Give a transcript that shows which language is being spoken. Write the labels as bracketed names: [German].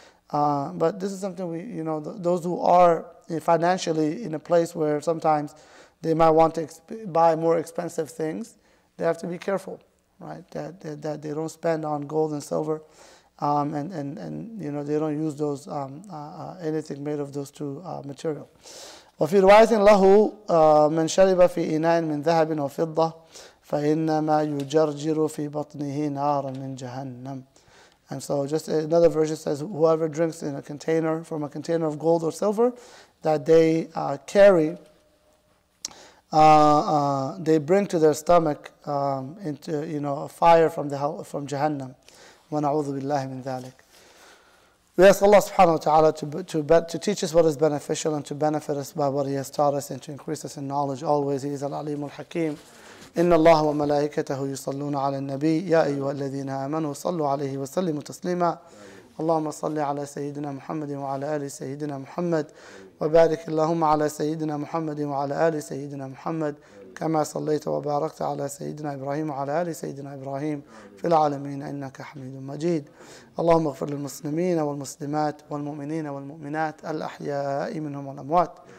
[English] But this is something we, you know, those who are financially in a place where sometimes they might want to buy more expensive things, they have to be careful, right? That they don't spend on gold and silver, and you know, they don't use those anything made of those two material. [Arabic] وفي رواية له من شرب في إناء من ذهب أو فضة فإنما يجرجر في بطنه نار من جهنم. [English] And so just another version says, whoever drinks in a container, from a container of gold or silver, that they carry, they bring to their stomach into, you know, a fire from the from Jahannam. [Arabic] وَنَعُوذُ بِاللَّهِ مِنْ ذَلِكَ. [English] We ask Allah subhanahu wa ta'ala to teach us what is beneficial and to benefit us by what He has taught us and to increase us in knowledge always. He is al-alim al-hakim. [Arabic] إن الله وملائكته يصلون على النبي يا أيها الذين آمنوا صلوا عليه وسلموا تسليما اللهم صل على سيدنا محمد وعلى آل سيدنا محمد وبارك اللهم على سيدنا محمد وعلى آل سيدنا محمد كما صليت وباركت على سيدنا إبراهيم وعلى آل سيدنا إبراهيم في العالمين إنك حميد مجيد اللهم اغفر للمسلمين والمسلمات والمؤمنين والمؤمنات الأحياء منهم والأموات